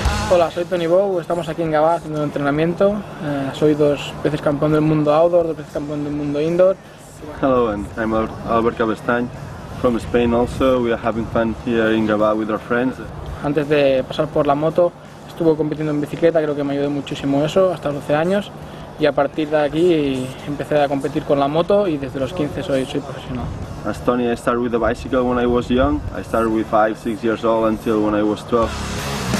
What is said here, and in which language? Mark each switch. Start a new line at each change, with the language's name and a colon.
Spanish: Hola, soy Tony Bow, estamos aquí en Gavá haciendo un entrenamiento. Soy dos veces campeón del mundo outdoor, dos veces campeón del mundo indoor.
English: Hello, and I'm Albert Cabestany from Spain also. We are having fun here in Gavá with our friends.
Spanish: Antes de pasar por la moto, estuve compitiendo en bicicleta, creo que me ayudó muchísimo eso, hasta los 12 años. Y a partir de aquí empecé a competir con la moto y desde los 15 soy profesional.
English: As Tony, I started with a bicycle when I was young. I started with 5, 6 years old until when I was 12.